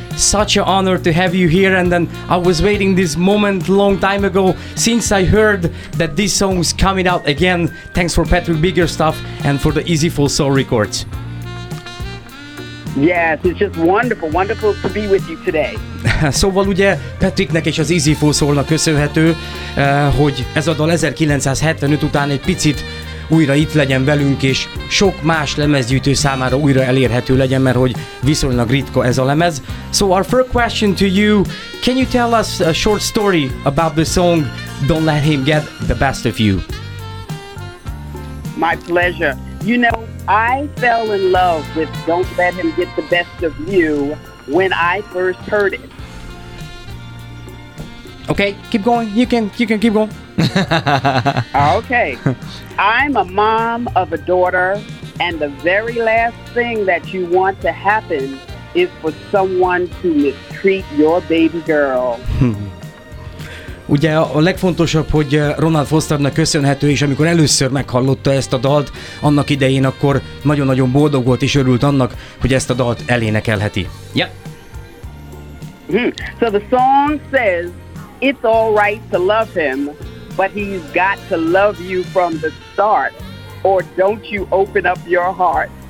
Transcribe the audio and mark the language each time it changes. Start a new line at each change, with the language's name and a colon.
English: Such an honor to have you here, and then I was waiting this moment long time ago since I heard that this song's coming out again. Thanks for Patrick Biggerstaff and for the Easy Full Soul Records. Yes, it's just wonderful, wonderful to be with you today.
Hungarian: Szóval ugye Patricknek és az Easy Full Soul-nak köszönhető, hogy ez a dal 1975 után egy picit újra itt legyen velünk, és sok más lemezgyűjtő számára újra elérhető legyen, mert hogy viszonylag ritka ez a lemez.
English: So our first question to you, can you tell us a short story about the song Don't Let Him Get the Best of You? My pleasure. You know, I fell in love with Don't Let Him Get the Best of You when I first heard it. Okay, keep going. You can keep going. Okay. I'm a mom of a daughter, and the very last thing that you want to happen is for someone to mistreat your baby girl.
Hungarian: Ugye a legfontosabb, hogy Ronald Fosternak köszönhető, és amikor először meghallotta ezt a dalt annak idején, akkor nagyon-nagyon boldog volt és örült annak, hogy ezt a dalt elénekelheti.
English: Yep. So the song says, it's all right to love him, but he's got to love you from the start, or don't you open up your heart.